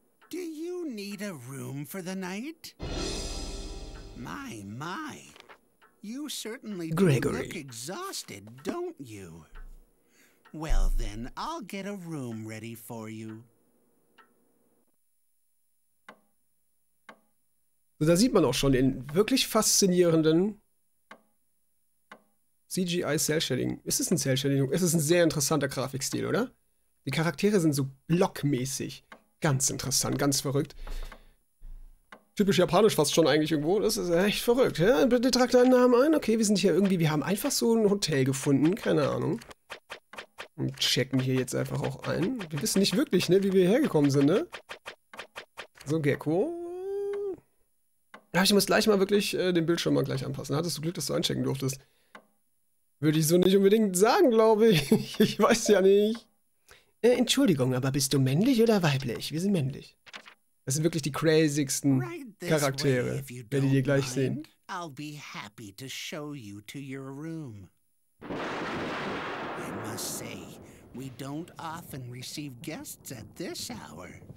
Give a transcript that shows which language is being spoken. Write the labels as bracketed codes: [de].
[en] Do you need a room for the night? My. You certainly do Gregory. Look exhausted, don't you? Well then, I'll get a room ready for you. [de] So, da sieht man auch schon den wirklich faszinierenden CGI Cell Shading. Ist es ein Cell Shading? Es ist ein sehr interessanter Grafikstil, oder? Die Charaktere sind so blockmäßig. Ganz interessant, ganz verrückt. Typisch japanisch fast schon eigentlich irgendwo. Das ist echt verrückt. Ja, bitte trag deinen Namen ein. Okay, wir sind hier irgendwie, wir haben einfach so ein Hotel gefunden. Keine Ahnung. Und checken hier jetzt einfach auch ein. Wir wissen nicht wirklich, ne, wie wir hergekommen sind, ne? So, Gecko. Ich muss gleich mal wirklich den Bildschirm mal gleich anpassen. Hattest du Glück, dass du einchecken durftest? Würde ich so nicht unbedingt sagen, glaube ich. Ich weiß ja nicht. Entschuldigung, aber bist du männlich oder weiblich? Wir sind männlich. Das sind wirklich die crazigsten Charaktere. Werdet ihr gleich sehen. [en] I'll be happy to show you to your room. I must say, we don't often receive guests at this hour.